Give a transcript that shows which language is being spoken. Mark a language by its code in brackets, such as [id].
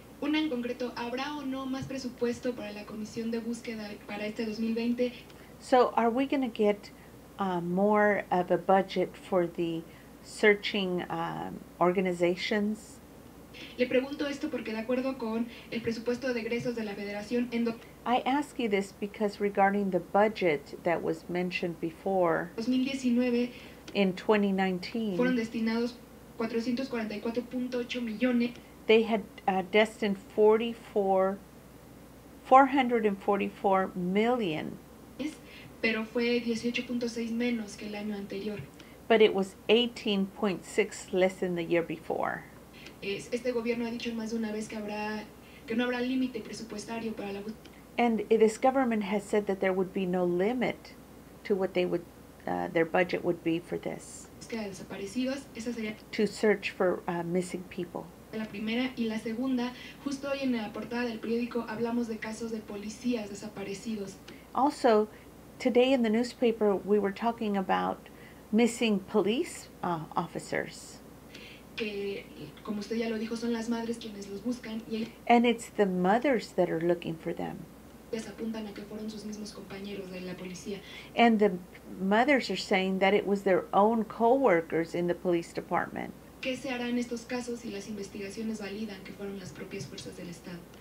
[es] Una en concreto, ¿habrá o no más presupuesto para la Comisión de Búsqueda para este 2020? [en] So, are we going to get more of a budget for the searching organizations? [es] Le pregunto esto porque de acuerdo con el presupuesto de egresos de la Federación... [en] I ask you this because regarding the budget that was mentioned before... [es] 2019, [en] in 2019... [es] Fueron destinados 444.8 millones... [en] They had destined 444 million... [es] Pero fue 18.6 menos que el año anterior... [en] But it was 18.6 less than the year before... [es] Este gobierno ha dicho más de una vez que habrá, que no habrá límite presupuestario para la... [en] And this government has said that there would be no limit to what they would, their budget would be for this. [es] Desaparecidos, esa sería... [en] To search for missing people. [es] La primera y la segunda, justo hoy en la portada del periódico hablamos de casos de policías desaparecidos. [en] Also, today in the newspaper we were talking about missing police officers. [es] Que, como usted ya lo dijo, son las madres quienes los buscan y [en] and it's the mothers that are looking for them. [es] Les apuntan a que fueron sus mismos compañeros de la policía. [en] And the mothers are saying that it was their own co-workers in the police department. [es] ¿Qué se hará en estos casos si las investigaciones validan que fueron las propias fuerzas del Estado?